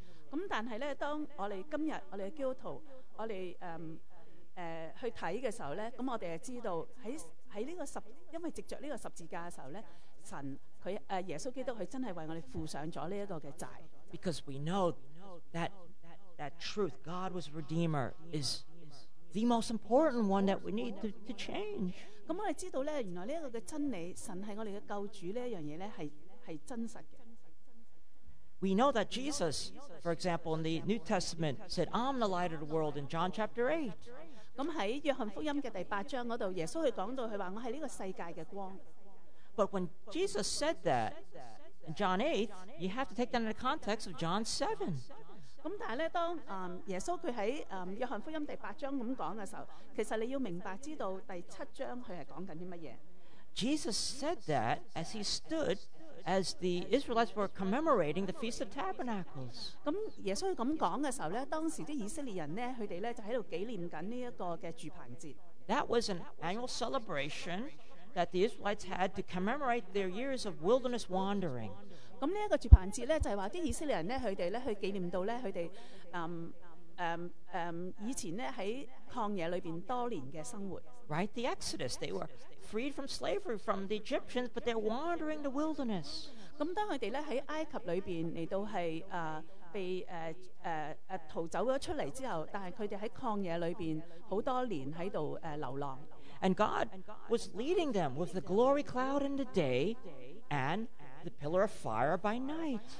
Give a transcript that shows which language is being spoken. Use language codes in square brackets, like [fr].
[en] But when we today, our Christians, [yue] 我哋去睇嘅時候咧，咁我哋係知道喺呢個十，因為藉著呢個十字架嘅時候咧，神佢耶穌基督佢真係為我哋付上咗呢一個嘅債。 [en] Because we know that truth, God was Redeemer, is the most important one that we need to change. [yue] 咁我哋知道咧，原來呢一個嘅真理，神係我哋嘅救主呢一樣嘢咧，係真實嘅。 [en] We know that Jesus, for example, in the New Testament, said, I'm the light of the world in John chapter 8. [yue] 咁喺約翰福音嘅第八章嗰度，耶穌佢講到，佢話我係呢個世界嘅光。 [en] But when Jesus said that in John 8, you have to take that in the context of John 7. [yue] 咁但係咧，當耶穌佢喺約翰福音第八章咁講嘅時候，其實你要明白知道第七章佢係講緊啲乜嘢。 [en] Jesus said that as he stood. As the Israelites were commemorating the Feast of Tabernacles. [yue] 咁耶穌咁講嘅時候咧，當時啲以色列人咧，佢哋咧就喺度紀念緊呢一個嘅住棚節。 [en] That was an annual celebration that the Israelites had to commemorate their years of wilderness wandering. [yue] 咁呢一個住棚節咧，就係話啲以色列人咧，佢哋咧去紀念到咧，佢哋以前咧喺曠野裏邊多年嘅生活。 [en] Right, the Exodus. They were freed from slavery from the Egyptians, but they're wandering the wilderness. [yue] 咁當佢哋咧喺埃及裏邊嚟到係被逃走咗出嚟之後，但係佢哋喺曠野裏邊好多年喺度流浪。 [en] And God was leading them with the glory cloud in the day, and the pillar of fire by night.